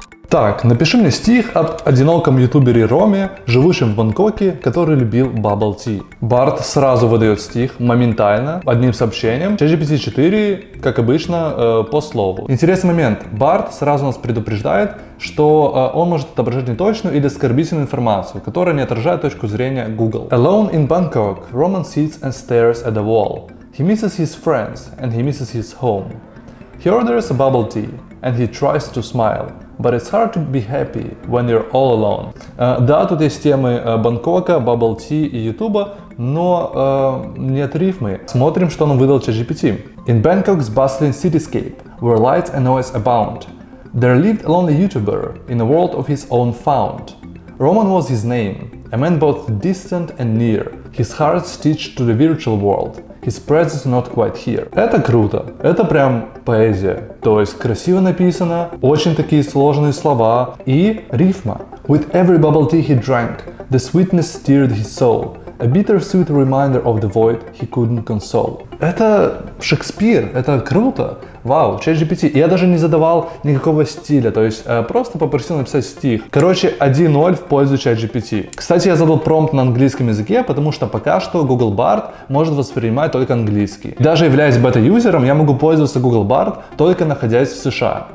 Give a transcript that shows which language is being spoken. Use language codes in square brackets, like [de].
[ru] Так, напиши мне стих об одиноком ютубере Роме, живущем в Бангкоке, который любил Bubble Tea. Bard сразу выдает стих, моментально, одним сообщением. ChatGPT-4, как обычно, по слову. Интересный момент. Bard сразу нас предупреждает, что он может отображать неточную или оскорбительную информацию, которая не отражает точку зрения Google. [en] Alone in Bangkok, Roman sits and stares at the wall. He misses his friends and he misses his home. He orders a Bubble Tea and he tries to smile. But it's hard to be happy when you're all alone. [ru] Да, тут есть темы Бангкока, Bubble Tea и Ютуба, но нет рифмы. Смотрим, что нам выдал ChatGPT. [en] In Bangkok's bustling cityscape, where lights and noise abound, there lived a lonely YouTuber in a world of his own found. Roman was his name, a man both distant and near. His heart stitched to the virtual world. His presence not quite here. [ru] Это круто. Это прям поэзия. То есть красиво написано, очень такие сложные слова и рифма. [en] With every bubble tea he drank, the sweetness stirred his soul. A bittersweet reminder of the void he couldn't console. [ru] Это Шекспир, это круто. Вау, ChatGPT. Я даже не задавал никакого стиля, то есть просто попросил написать стих. Короче, 1-0 в пользу ChatGPT. Кстати, я задал промпт на английском языке, потому что пока что Google Bard может воспринимать только английский. Даже являясь бета-юзером, я могу пользоваться Google Bard, только находясь в США.